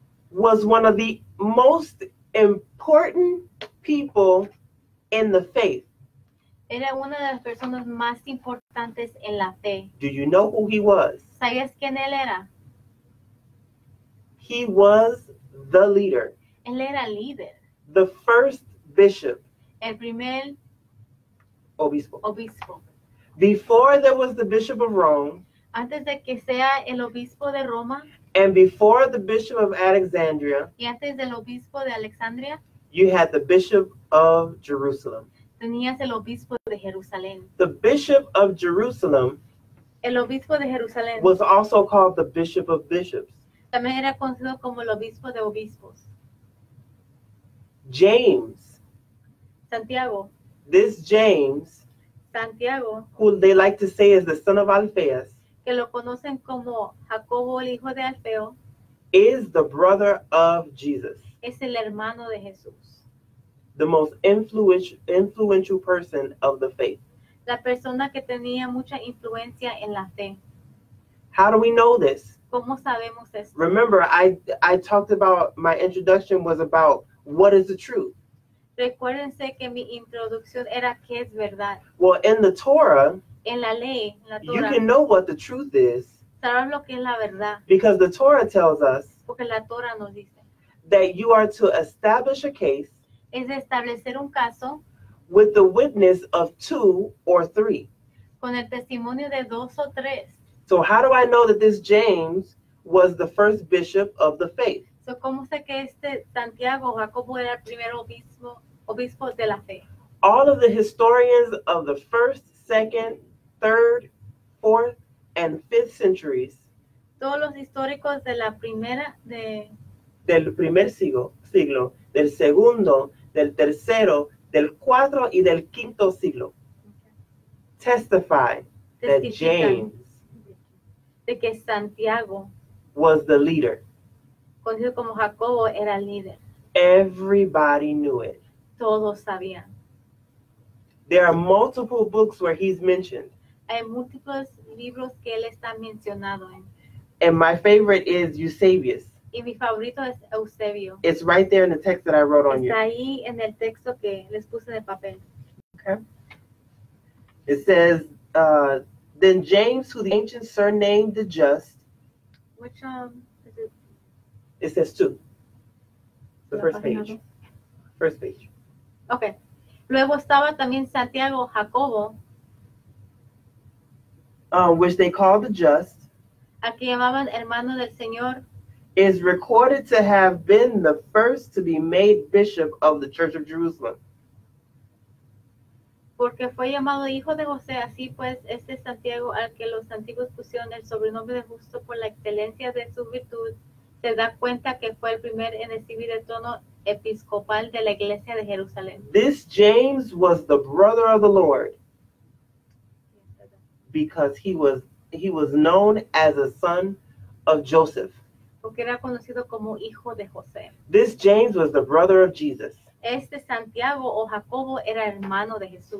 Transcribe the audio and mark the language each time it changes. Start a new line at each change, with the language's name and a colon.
English: Was one of the most important people in the faith.
Spanish: Era una de las personas más importantes en la fe.
English: Do you know who he was?
Spanish: ¿Sabías quién él era?
English: He was the leader.
Spanish: Él era el líder.
English: The first bishop.
Spanish: El primer obispo. Obispo.
English: Before there was the Bishop of Rome.
Spanish: Antes de que sea el Obispo de Roma.
English: And before the Bishop of Alexandria.
Spanish: Y antes del Obispo de Alexandria.
English: You had the Bishop of Jerusalem.
Spanish: Tenías el Obispo de Jerusalén.
English: The Bishop of Jerusalem.
Spanish: El Obispo de Jerusalén.
English: Was also called the Bishop of Bishops.
Spanish: También era conocido como el Obispo de Obispos.
English: James.
Spanish: Santiago.
English: This James.
Spanish: Santiago.
English: Who they like to say is the son of Alphaeus.
Spanish: Que lo conocen como Jacobo, el hijo de Alfeo.
English: Is the brother of Jesus.
Spanish: Es el hermano de Jesús.
English: The most influential person of the faith.
Spanish: La persona que tenía mucha influencia en la fe.
English: How do we know this?
Spanish: ¿Cómo sabemos esto?
English: Remember, I talked about, my introduction was about what is the truth.
Spanish: Recuérdense que mi introducción era qué es verdad.
English: Well, in the Torah,
Spanish: en la ley, la Torah,
English: you can know what the truth is.
Spanish: Sabes lo que es la verdad.
English: Because the Torah tells us,
Spanish: porque la Torah nos dice,
English: that you are to establish a case,
Spanish: es de establecer un caso,
English: with the witness of two or three.
Spanish: Con el testimonio de dos o tres.
English: So how do I know that this James was the first bishop of the faith?
Spanish: So cómo sé que este Santiago Jacobo era el primer obispo de la fe?
English: All of the historians of the first, second, third, fourth, and fifth centuries.
Spanish: Todos los históricos de la primera, de... Del primer siglo, del segundo, del tercero, del cuarto y del quinto siglo.
English: Okay. Testify that James.
Spanish: De que Santiago
English: was the leader.
Spanish: Conocido como Jacobo era el líder.
English: Everybody knew it.
Spanish: Todos sabían.
English: There are multiple books where he's mentioned.
Spanish: Hay múltiples libros que él está mencionado en.
English: And my favorite is Eusebius.
Spanish: Y mi favorito es Eusebio.
English: It's right there in the text that I wrote on
Spanish: está
English: you.
Spanish: Está ahí en el texto que les puse de papel.
English: Okay. It says, then James, who the ancient surnamed the Just. Which is it? It says two. The first page.
Spanish: Okay. Luego estaba también Santiago Jacobo.
English: Which they called the Just.
Spanish: A que llamaban hermano del Señor.
English: Is recorded to have been the first to be made bishop of the Church of Jerusalem.
Spanish: Porque fue llamado hijo de José, así pues, este Santiago, al que los antiguos pusieron el sobrenombre de justo por la excelencia de su virtud, se da cuenta que fue el primer en recibir el trono episcopal de la iglesia de Jerusalén.
English: This James was the brother of the Lord, because he was known as a son of Joseph.
Spanish: Porque era conocido como hijo de José.
English: This James was the brother of Jesus.
Spanish: Este Santiago o Jacobo era hermano de Jesús.